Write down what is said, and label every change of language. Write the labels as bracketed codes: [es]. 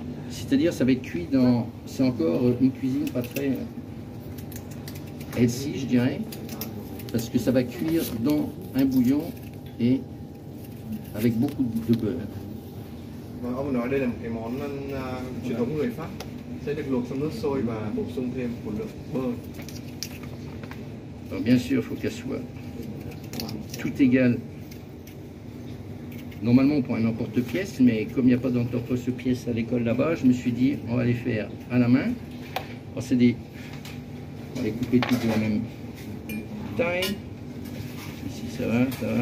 [fr] C'est-à-dire, ça va être cuit dans... C'est encore une cuisine pas très... healthy, je dirais. Parce que ça va cuire dans un bouillon et avec beaucoup de beurre. [vi] Ông nói đây là một cái món truyền thống người Pháp. Sẽ được luộc trong nước sôi và bổ sung thêm một lượng beurre. [fr] Bien sûr, il faut qu'elle soit tout égal normalement on prend un emporte-pièce, mais comme il n'y a pas d'emporte-pièce à l'école là-bas, je me suis dit on va les faire à la main. Alors c'est des, on va les couper toutes de la même taille. Ici ça va, ça va.